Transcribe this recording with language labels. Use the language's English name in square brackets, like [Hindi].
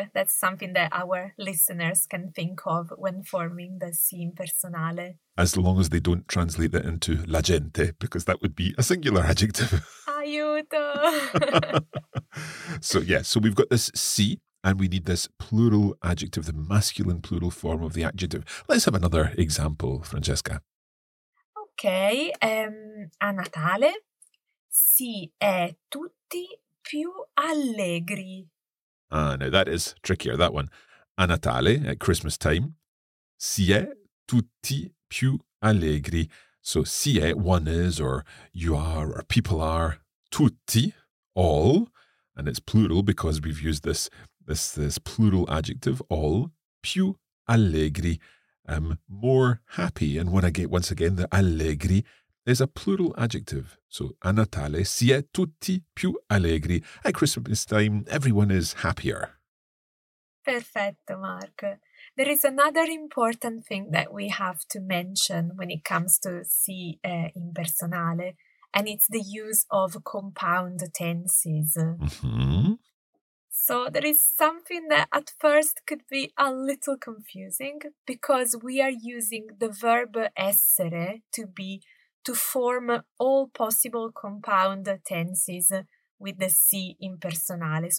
[English] That's something that our listeners can think of when forming the si impersonale. As long as they don't translate that into la gente, because that would be a singular adjective. [Italian] Aiuto! [English] So, yeah, so we've got this si, and we need this plural adjective, the masculine plural form of the adjective. Let's have another example, Francesca. [Italian] Okay, a Natale si è tutti più allegri. [English] Ah, no, that is trickier, that one. [Italian] A Natale, [English] at Christmas time, [Italian] si è tutti più allegri. [English] So [Italian] si è, [English] one is, or you are, or people are, tutti, all, and it's plural because we've used this plural adjective, all, [Italian] più allegri, [English] more happy. And when I get, once again, the allegri, is a plural adjective. [Italian] So, a Natale si è tutti più allegri. [English] At Christmas time, everyone is happier. [Italian] Perfetto, Mark. [English] There is another important thing that we have to mention when it comes to si impersonale, and it's the use of compound tenses. Mm-hmm. So, there is something that at first could be a little confusing, because we are using the verb essere to be, to form all possible compound tenses with the si impersonale.